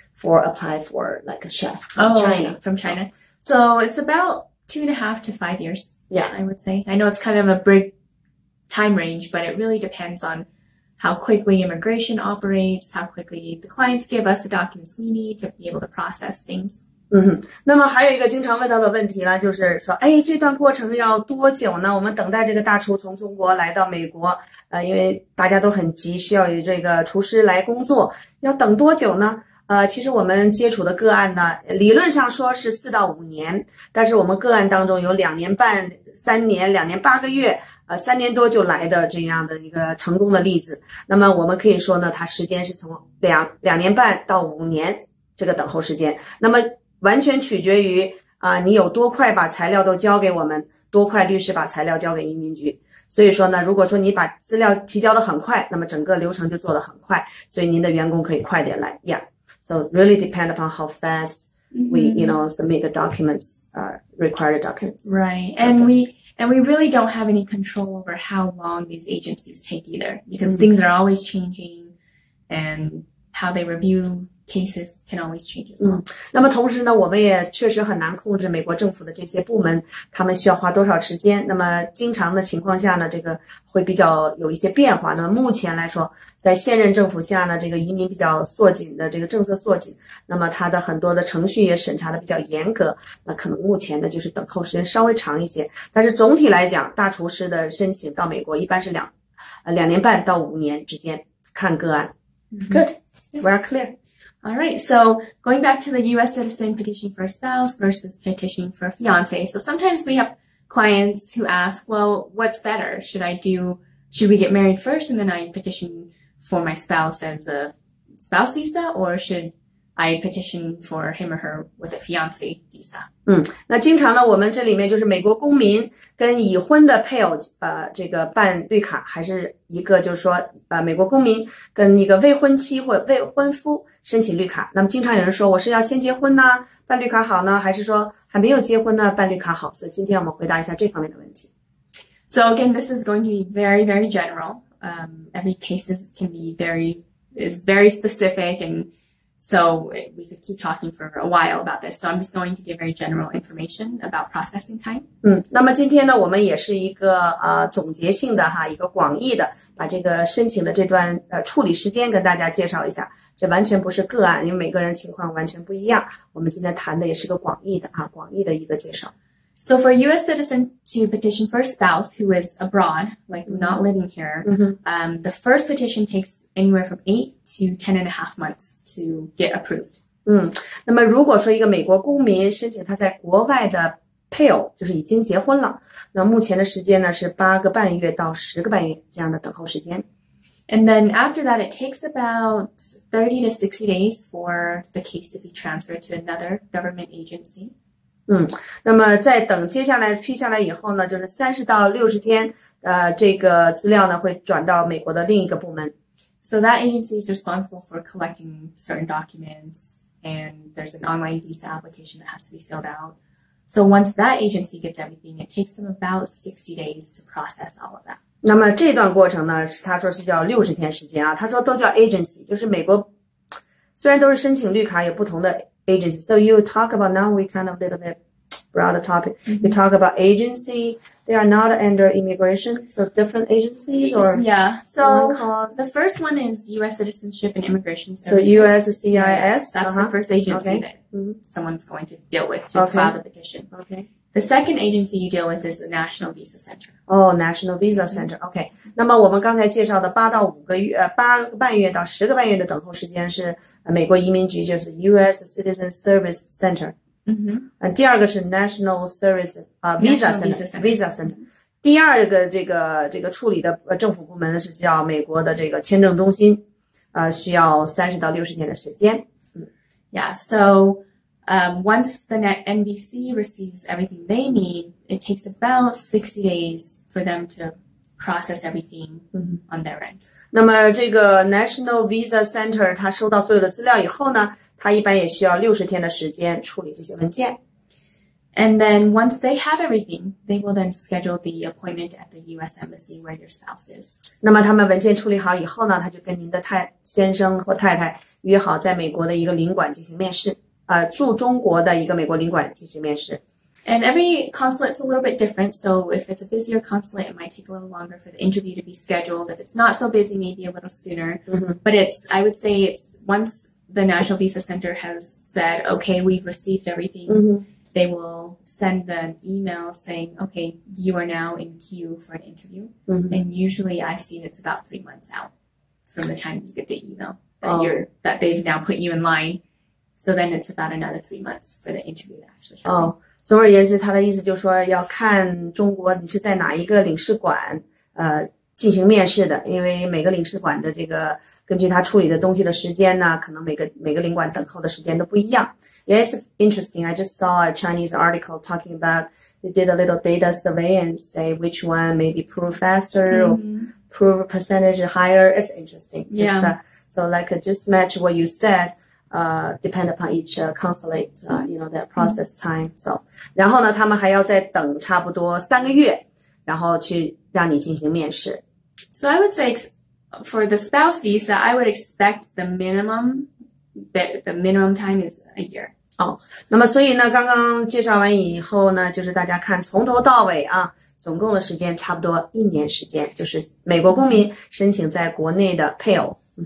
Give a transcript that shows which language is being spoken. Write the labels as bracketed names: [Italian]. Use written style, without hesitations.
[English] For apply for like a chef from China. Okay, from China. So it's about 2.5 to 5 years. Yeah. I would say. I know it's kind of a big time range, but it really depends on how quickly immigration operates, how quickly the clients give us the documents we need to be able to process things. [Chinese] 那么还有一个经常问到的问题呢，就是说，哎，这段过程要多久呢？我们等待这个大厨从中国来到美国，因为大家都很急，需要这个厨师来工作，要等多久呢？其实我们接触的个案呢，理论上说是4到5年，但是我们个案当中有2年半、3年、2年8个月，三年多就来的这样的一个成功的例子。那么我们可以说呢，它时间是从两年半到5年这个等候时间。那么完全取决于你有多快把材料都交给我们，多快律师把材料交给移民局。所以说呢，如果说你把资料提交的很快，那么整个流程就做得很快，所以您的员工可以快点来呀。 [English] So really depend upon how fast we, you know, submit the documents, required documents. Right. And we really don't have any control over how long these agencies take either, because things are always changing and how they review cases can always change as well. [Chinese] 那么同时呢，我们也确实很难控制美国政府的这些部门，他们需要花多少时间。那么经常的情况下呢，这个会比较有一些变化。那么目前来说，在现任政府下呢，这个移民比较缩紧的这个政策缩紧，那么它的很多的程序也审查的比较严格，那可能目前呢就是等候时间稍微长一些。但是总体来讲，大厨师的申请到美国一般是2年半到5年之间，看个案。 [English] Good, we're clear. All right, so going back to the U.S. citizen petition for a spouse versus petition for a fiance. So sometimes we have clients who ask, well, what's better? Should we get married first and then I petition for my spouse as a spouse visa, or should I petition for him or her with a fiance visa? [Chinese] 那经常呢，我们这里面就是美国公民跟已婚的配偶，这个办绿卡，还是一个就是说，美国公民跟一个未婚妻或未婚夫申请绿卡。那么经常有人说，我是要先结婚呢，办绿卡好呢，还是说还没有结婚呢，办绿卡好？所以今天我们回答一下这方面的问题。 [English] So again, this is going to be very, very general. Every case is very specific, and so we could keep talking for a while about this. So I'm just going to give very general information about processing time. [Chinese] 那么今天呢，我们也是一个总结性的哈，一个广义的，把这个申请的这段处理时间跟大家介绍一下。这完全不是个案，因为每个人情况完全不一样。我们今天谈的也是个广义的啊，广义的一个介绍。 [English] So for a U.S. citizen to petition for a spouse who is abroad, like not living here, the first petition takes anywhere from 8 to 10.5 months to get approved. [Chinese] 那么如果说一个美国公民申请他在国外的配偶，就是已经结婚了，那目前的时间呢是8个半月到10个半月这样的等候时间。 [English] And then after that, it takes about 30 to 60 days for the case to be transferred to another government agency. [Chinese] 那么在等接下来批下来以后呢，就是30到60天，这个资料呢会转到美国的另一个部门。 [English] So that agency is responsible for collecting certain documents, and there's an online visa application that has to be filled out. So once that agency gets everything, it takes them about 60 days to process all of that. [Chinese] 那么这段过程呢，他说是叫60天时间啊，他说都叫 agency，就是美国虽然都是申请绿卡，有不同的 agency。 [English] So you talk about now we kind of little bit broad topic. You talk about agency. They are not under immigration, so different agencies or one So called. the first one is U.S. Citizenship and Immigration So Services. USCIS. That's the first agency that someone's going to deal with to file the petition. The second agency you deal with is the National Visa Center. Oh, National Visa Center. [Chinese] OK，那么我们刚才介绍的8个半月到10个半月的等候时间是美国移民局，就是 U.S. [English] Citizen Service Center。 [Chinese] 第二个是 [English] National Service Visa National Visa Center Center. Visa Center。 [Chinese] 第二个这个处理的政府部门呢是叫美国的这个签证中心，需要30到60天的时间。 [English] Yeah, so once the NVC receives everything they need, it takes about 60 days for them to process everything on their end. [Chinese] 那么这个 National Visa Center 它收到所有的资料以后呢，它一般也需要60天的时间处理这些文件。 [English] And then once they have everything, they will then schedule the appointment at the US Embassy where your spouse is. [Chinese] 那么他们文件处理好以后呢，他就跟您的先生或太太约好在美国的一个领馆进行面试，驻中国的一个美国领馆进行面试。 [English] And every consulate's a little bit different, so if it's a busier consulate, it might take a little longer for the interview to be scheduled. If it's not so busy, maybe a little sooner. But I would say it's once the National Visa Center has said, okay, we've received everything. They will send an email saying, okay, you are now in queue for an interview. And usually I've seen it's about 3 months out from the time you get the email that they've now put you in line. So then it's about another 3 months for the interview to actually happen. [Chinese] 总而言之，他的意思就是说，要看中国你是在哪一个领事馆，进行面试的，因为每个领事馆的这个根据他处理的东西的时间呢，可能每个领馆等候的时间都不一样。 [English] Yes, interesting. I just saw a Chinese article talking about they did a little data survey and say which one maybe prove faster or prove percentage higher. It's interesting. Just so like just match what you said. Depend upon each consulate, their process time. [Chinese] So 然后呢，他们还要再等差不多3个月，然后去让你进行面试。 [English] So I would say for the spouse visa, I would expect the minimum time is a year. [Chinese] 那么所以呢，刚刚介绍完以后呢，就是大家看从头到尾啊，总共的时间差不多1年时间，就是美国公民申请在国内的配偶。